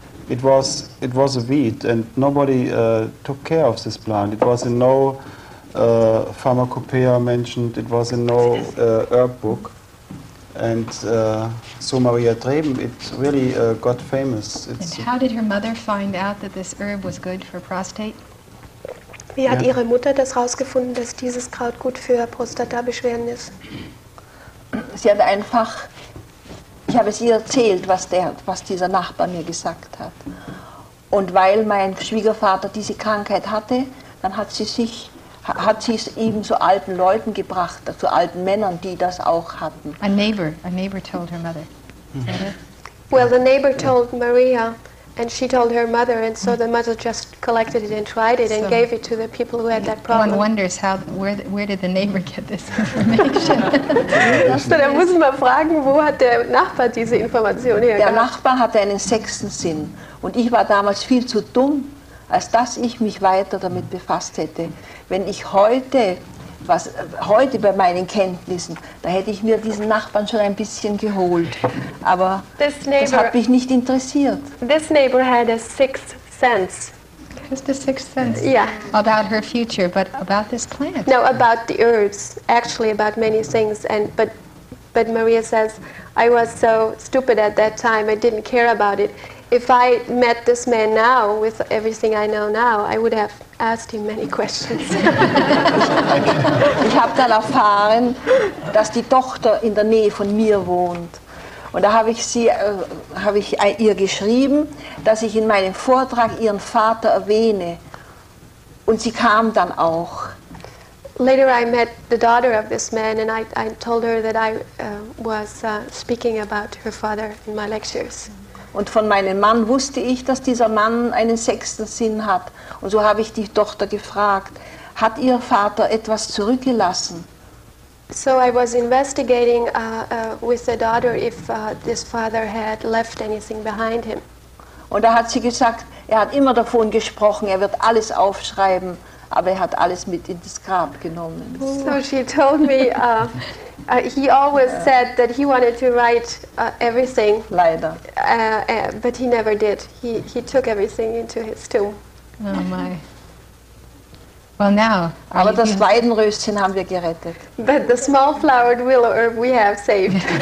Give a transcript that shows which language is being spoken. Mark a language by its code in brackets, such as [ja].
[en] It was a weed, and nobody took care of this plant. It was in no pharmacopoeia mentioned. It was in no herb book. And so Maria Dreben, it really got famous. It's and how did her mother find out that this herb was good for prostate? [de] Wie hat ihre Mutter das rausgefunden, dass dieses Kraut gut für Prostatabeschwerden ist? Sie hat einfach, ich habe es ihr erzählt, was dieser Nachbar mir gesagt hat. Und weil mein Schwiegervater diese Krankheit hatte, dann hat sie es eben zu alten Leuten gebracht, zu alten Männern, die das auch hatten. [en] A neighbor told her mother. Well, the neighbor told Maria. And she told her mother, and so the mother just collected it and tried it and gave it to the people who had that problem. One wonders where did the neighbor get this information? [de] Da muss man fragen, wo hat der Nachbar diese Information hergebracht? Der Nachbar hatte einen sechsten Sinn, und ich war damals viel zu dumm, als dass ich mich weiter damit befasst hätte. Wenn ich heute bei meinen Kenntnissen, da hätte ich mir diesen Nachbarn schon ein bisschen geholt. Aber [en] this neighbor, [de] das hat mich nicht interessiert. [en] This neighbor had a sixth sense. Just a sixth sense? Yeah. About her future, but about this plant. No, about the herbs, actually about many things. But Maria says, I was so stupid at that time, I didn't care about it. If I met this man now, with everything I know now, I would have asked him many questions. [de] Ich habe dann erfahren, dass die Tochter in der Nähe von mir wohnt. Und da habe ich ihr geschrieben, dass ich in meinem Vortrag ihren Vater erwähne. Und sie kam dann auch. [en] Later I met the daughter of this man, and I told her that I was speaking about her father in my lectures. [de] Und von meinem Mann wusste ich, dass dieser Mann einen sechsten Sinn hat. Und so habe ich die Tochter gefragt, hat ihr Vater etwas zurückgelassen? [en] So I was investigating with the daughter if this father had left anything behind him. [de] Und da hat sie gesagt, er hat immer davon gesprochen, er wird alles aufschreiben, aber er hat alles mit in das Grab genommen. [en] So she told me... he always said that he wanted to write everything. [de] Leider. [en] But he never did. He took everything into his tomb. Oh my. Well, now. [de] Aber das Weidenröschen haben wir gerettet. [en] But the small-flowered willow herb we have saved.